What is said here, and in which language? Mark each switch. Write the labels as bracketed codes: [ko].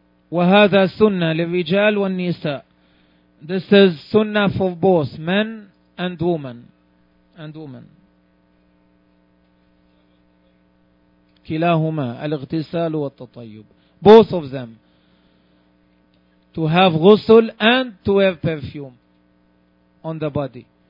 [ar] وهذا سنة للرجال والنساء. [en] This is sunnah for both men and women. And women. [ar] كلاهما الاغتسال والتطيب. [en] Both of them. To have ghusl and to wear perfume on the body.